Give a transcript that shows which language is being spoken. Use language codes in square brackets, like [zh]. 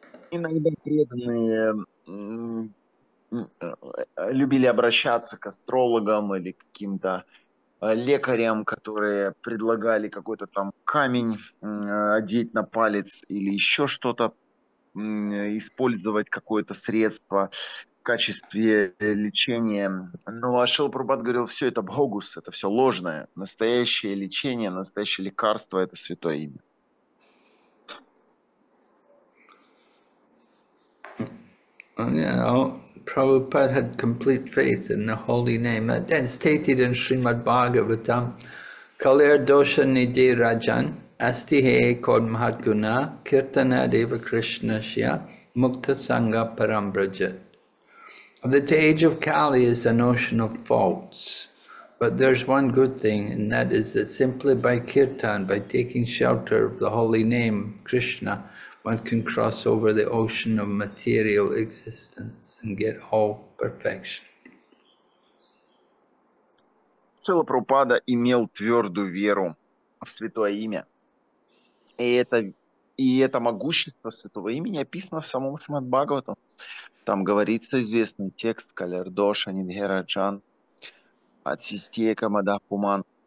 [ru] Иногда преданные любили обращаться к астрологам или к каким-то лекарям, которые предлагали какой-то там камень одеть на палец или еще что-то, использовать какое-то средство в качестве лечения. Но Шрила Прабхупада говорил, все это богус, это все ложное. Настоящее лечение, настоящее лекарство – это святое имя. [en] Prabhupada had complete faith in the holy name. Then stated in Srimad Bhagavatam, [sa] Kalir dosha nidhi rajan, astihe kod mahatguna, kirtana deva krishnasya, mukta sangha parambrajat. [en] That the age of Kali is an ocean of faults, but there's one good thing, and that is that simply by kirtan, by taking shelter of the holy name, Krishna, one can cross over the ocean of material existence and get all perfection. [ru] Шрила Прабхупада имел твердую веру в святое имя. И это могущество святого имени описано в самом Шримад Бхагаватам. Там говорится известный текст [sa] Калярдоша Нидхераджан от Систека Мадахуман.